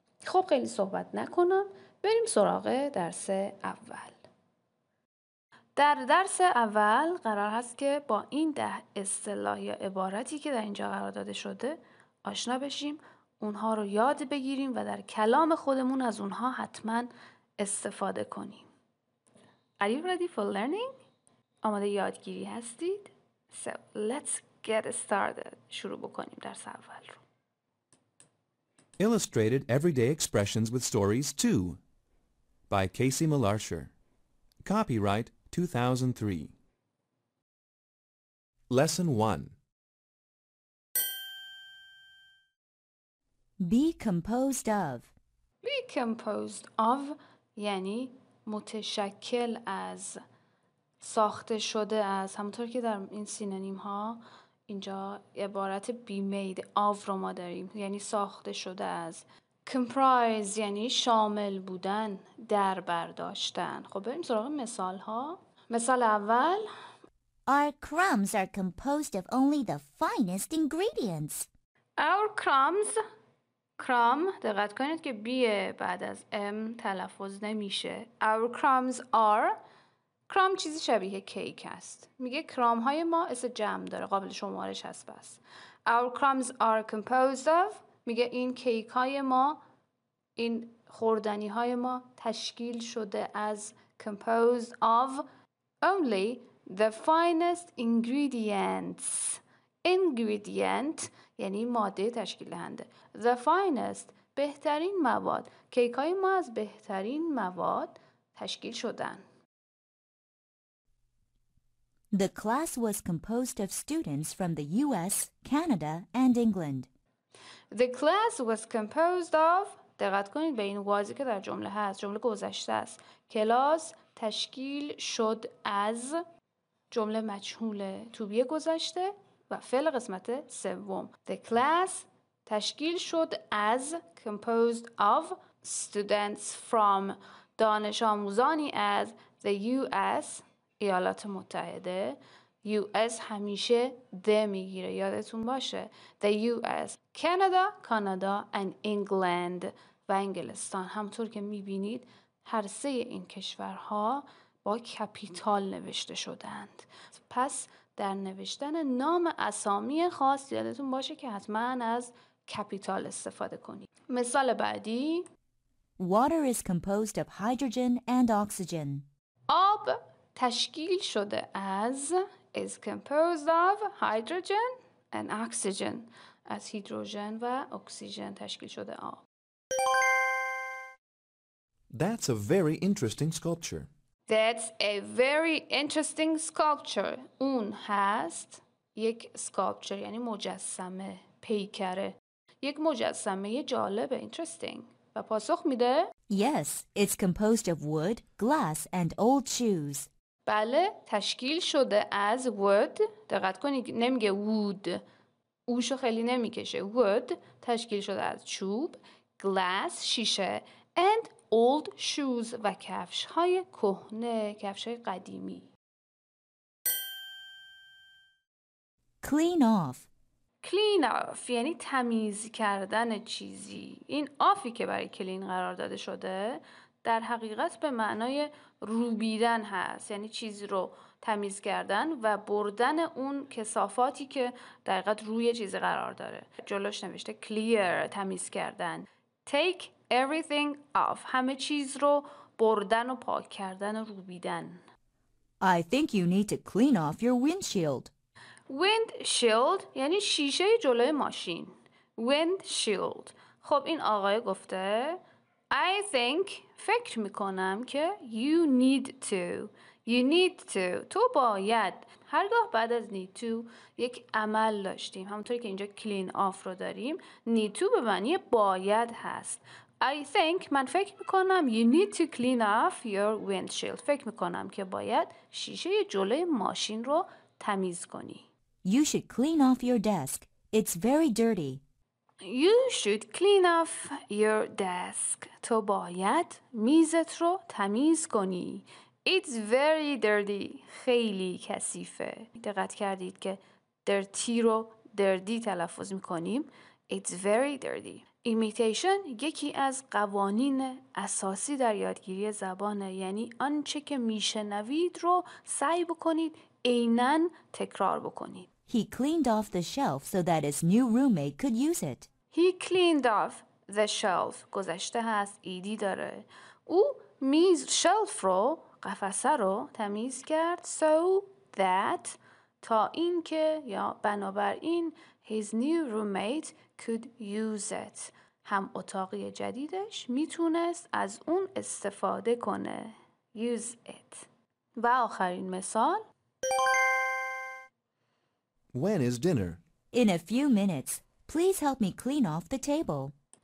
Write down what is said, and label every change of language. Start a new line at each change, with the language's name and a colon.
Persian: خب خیلی صحبت نکنم، بریم سراغ درس اول. در درس اول قرار هست که با این 10 اصطلاح یا عبارتی که در اینجا قرار داده شده آشنا بشیم، اونها رو یاد بگیریم و در کلام خودمون از اونها حتما استفاده کنیم.
English: Are you ready for learning؟
Persian: آماده یادگیری هستید؟
English: So let's get started.
Persian: شروع بکنیم درس اول رو.
English: Illustrated Everyday Expressions with Stories 2 by Casey Mellarcher. Copyright 2003. Lesson 1. Be composed of. Be composed of
Persian: یعنی متشکل از، ساخته شده از. همونطور که در این سینونیم ها اینجا عبارت
English: be made of
Persian: رو ما داریم، یعنی ساخته شده از. comprise یعنی شامل بودن، در برداشتن. خب بریم سراغ مثال ها. مثال اول:
English: Our crumbs are composed of only the finest ingredients. Our crumbs.
Persian: crumb، دقت کنید که b بعد از m تلفظ نمیشه.
English: Our crumbs are،
Persian: کرام چیزی شبیه کیک است. میگه کرام های ما اسم جمع داره، قابل شمارش هست بس.
English: Our crumbs are composed of،
Persian: میگه این کیک های ما، این خوردنی های ما تشکیل شده از،
English: composed of only the finest ingredients.
Persian: ingredient یعنی ماده تشکیل دهنده.
English: the finest،
Persian: بهترین مواد. کیک های ما از بهترین مواد تشکیل شدن.
English: The class was composed of students from the US, Canada, and England. The class was composed of،
Persian: دقت کنید به این وازی که در جمله هست، جمله گذشته است. کلاس تشکیل شد از، جمله مجهوله تو بی گذشته و فعل قسمت سوم.
English: The class
Persian: تشکیل شد از،
English: composed of students from،
Persian: دانش آموزانی از،
English: the US،
Persian: ایالات متحده. US همیشه ده میگیره، یادتون باشه.
English: The US، Canada، Canada, and England،
Persian: و انگلستان. همطور که میبینید هر سه این کشورها با کپیتال نوشته شدند. پس در نوشتن نام اسامی خاص یادتون باشه که حتما از کپیتال استفاده کنید. مثال بعدی:
English: Water is composed of hydrogen and oxygen.
Persian: آب تشکیل شده از،
English: is composed of hydrogen and oxygen،
Persian: از هیدروژن و اکسیژن تشکیل شده آب.
English: That's a very interesting sculpture. That's a very interesting sculpture.
Persian: اون هست یک sculpture، یعنی مجسمه، پیکره، یک مجسمه جالبه، interesting. و پاسخ میده:
English: Yes, it's composed of wood, glass and old shoes.
Persian: بله، تشکیل شده از wood، دقت کنید نمیگه wood، اوشو خیلی نمیکشه، wood، تشکیل شده از چوب، glass، شیشه،
English: and old shoes،
Persian: و کفش های کهنه، کفش های قدیمی.
English: clean off.
Persian: clean off یعنی تمیز کردن چیزی. این off-ی که برای clean قرار داده شده در حقیقت به معنای روبیدن هست، یعنی چیزی رو تمیز کردن و بردن اون کثافاتی که در حقیقت روی چیزی قرار داره. جلوش نوشته clear، تمیز کردن.
English: take everything off.
Persian: همه چیز رو بردن و پاک کردن و روبیدن.
English: I think you need to clean off your windshield.
Persian: Windshield یعنی شیشه جلوی ماشین.
English: Windshield.
Persian: خب این آقای گفته
English: I think
Persian: فکر میکنم که
English: you need to
Persian: تو باید. هرگاه بعد از need to یک عمل داشتیم، همونطوری که اینجا clean off رو داریم، need to به معنی باید هست.
English: I think
Persian: من فکر میکنم
English: you need to clean off your windshield.
Persian: فکر میکنم که باید شیشه جلوی ماشین رو تمیز کنی.
English: You should clean off your desk. It's very dirty. You should clean off your desk.
Persian: تو باید میزت رو تمیز کنی.
English: It's very dirty.
Persian: خیلی کثیفه. دقت کردید که dirty رو dirty تلفظ میکنیم.
English: It's very dirty.
Persian: Imitation یکی از قوانین اساسی در یادگیری زبانه، یعنی آنچه که میشنوید رو سعی بکنید عیناً تکرار بکنید.
English: He cleaned off the shelf so that his new roommate could use it. He cleaned off the shelf.
Persian: گذشته هست، ایدی داره. او میز شلف رو، قفسه رو تمیز کرد.
English: So that
Persian: تا این که یا بنابراین
English: his new roommate could use it.
Persian: هم اتاقی جدیدش میتونست از اون استفاده کنه.
English: Use it.
Persian: و آخرین مثال.
English: When is dinner? In a few minutes. Please help me clean off the table.